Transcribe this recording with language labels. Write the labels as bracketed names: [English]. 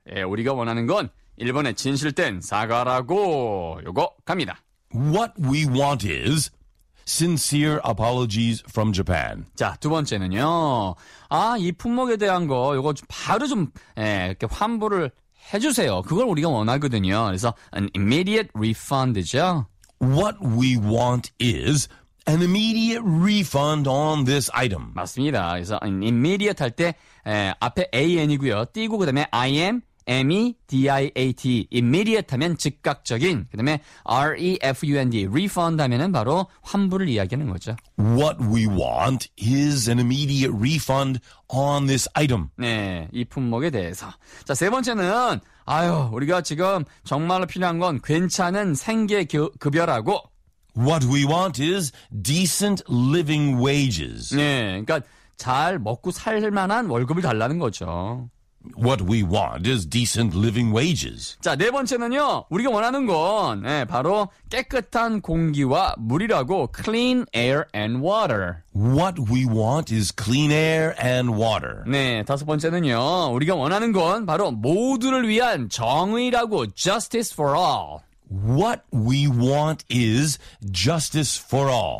[Korean] 예, 우리가 원하는 건 일본의 진실된 사과라고 요거 갑니다. [English] What we want is sincere apologies from Japan. [Korean] 자, 두 번째는요. 아, 이 품목에 대한 거 요거 바로 좀 예, 이렇게 환불을 해 주세요. 그걸 우리가 원하거든요. 그래서 [English] an immediate refund [Korean] 이죠. [English] What we want is an immediate refund on this item. [Korean] 맞습니다. 그래서 [English] an immediate [Korean] 할 때 예, 앞에 an이고요. 띄고 그다음에 I am M-E-D-I-A-T, immediate 하면 즉각적인, 그 다음에 R-E-F-U-N-D, refund 하면은 바로 환불을 이야기하는 거죠. [English] What we want is an immediate refund on this item. [Korean] 네, 이 품목에 대해서. 자, 세 번째는, 아유, 우리가 지금 정말로 필요한 건 괜찮은 생계급여라고. [English] What we want is decent living wages. [Korean] 네, 그러니까 잘 먹고 살만한 월급을 달라는 거죠. [English] What we want is decent living wages. [Korean] 자, 네 번째는요. 우리가 원하는 건 예, 바로 깨끗한 공기와 물이라고 [English] clean air and water. What we want is clean air and water. [Korean] 네, 다섯 번째는요. 우리가 원하는 건 바로 모두를 위한 정의라고 [English] justice for all. What we want is justice for all.